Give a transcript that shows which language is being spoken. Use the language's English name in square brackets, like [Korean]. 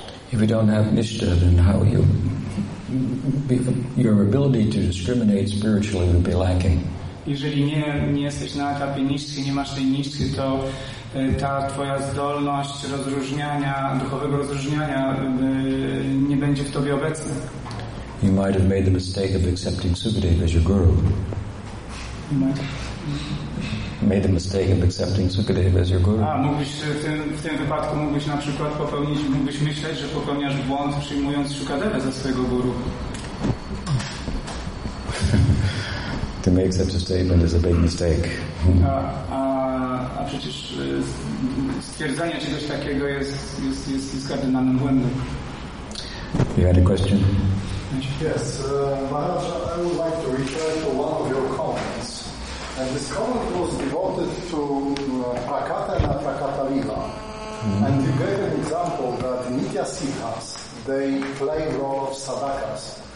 [English] If you don't have nishtha, then how you your ability to discriminate spiritually would be lacking. [Polish] Jeżeli nie jesteś na etapie nishtha, nie masz tej nishtha, to ta twoja zdolność rozróżniania, duchowego rozróżniania, nie będzie w tobie obecna. [English] You might have made the mistake of accepting Sukadeva as your guru. Made the mistake of accepting Sukadeva as your guru. [Polish] A mógłbyś w tym wypadku mógłbyś na przykład popełnić, mógłbyś myśleć, że popełniasz błąd, przyjmując Sukadeva za swojego guru. [English] To make such a statement is a big mistake. [Polish] A przecież stwierdzenie czegoś takiego jest kardynalnym błędem. [English] You had a question? Yes, Maharaj, I would like to return to one of your comments. And this comment was devoted to Prakata and Aprakata Lila. Mm-hmm. And you gave an example that Nitya Siddhas, they play the role of sadhakas.